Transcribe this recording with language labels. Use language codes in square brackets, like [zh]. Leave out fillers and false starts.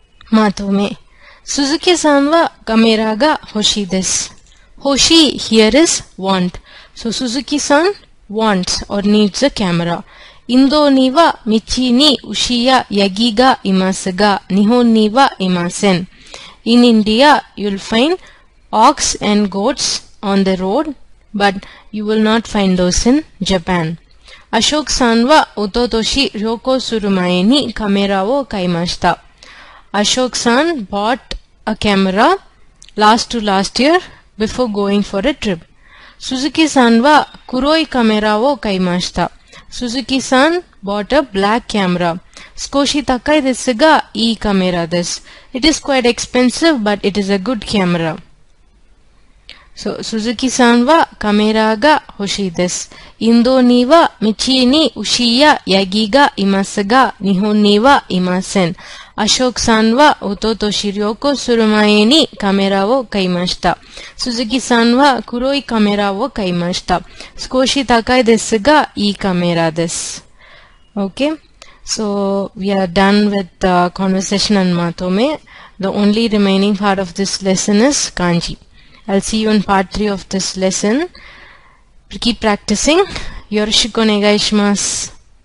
[ja] まとめ。鈴木さんはカメラが欲しいです。 [en] 欲しい、here is want. So, 鈴木さん wants or needs a camera. [ja] インドには道に牛やヤギがいますが、日本にはいません。 [en] In India, you'll find ox and goats on the road, but you will not find those in Japan. [ja] アショクさんはおととし旅行する前にカメラを買いました。 [en] アショクさん bought a camera last year before going for a trip. [ja] 鈴木さんは黒いカメラを買いました。 [en] Suzuki san bought a black camera. [ja] 少し高いですが、いいカメラです。 [en] It is quite expensive, but it is a good camera. [ja] So, Suzuki san はカメラが欲しいです。インドには道に牛やヤギがいますが、日本にはいません。アショクさんはおととし旅行する前にカメラを買いました。スズキさんは黒いカメラを買いました。少し高いですが、いいカメラです。OK? [en] So we are done with the conversation and matome. The only remaining part of this lesson is kanji. I'll see you in part 3 of this lesson. Keep practicing. [ja] Yoroshiku onegai shimasu.